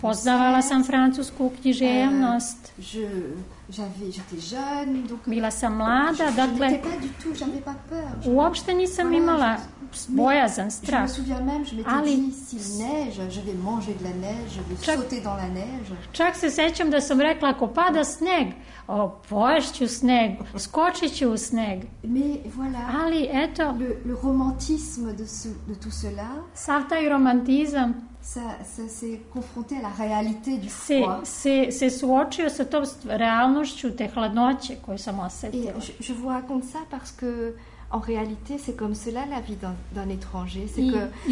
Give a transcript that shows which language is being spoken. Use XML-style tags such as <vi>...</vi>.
<sr>Poznavala sam francusku književnost.</sr> <fr>J'étais jeune, donc</fr> <sr>bila sam mlada, dakle.</sr> <fr>J'étais pas du tout, j'avais pas peur.</fr> <sr>Uopšte nisam imala bojazan, strah.</sr> <fr>Je me souviens même, je m'étais dit s'il neige, je vais manger de la neige, je vais sauter dans la neige.</fr> <sr>Čak se sećam da sam rekla ako pada sneg, pojašću sneg, skočit ću u sneg.</sr> <fr>Mais voilà.</fr> <sr>Ali eto,</sr> <fr>le romantisme de tout cela.</fr> <sr>Sav taj romantizam,</sr> <fr>ça s'est confronté à la réalité du froid.</fr> <sr>Se suočio sa tom realnošću te hladnoće koju sam osetila.</sr> <fr>Je vous raconte ça parce que en réalité c'est comme cela la vie d'un étranger, c'est que</fr>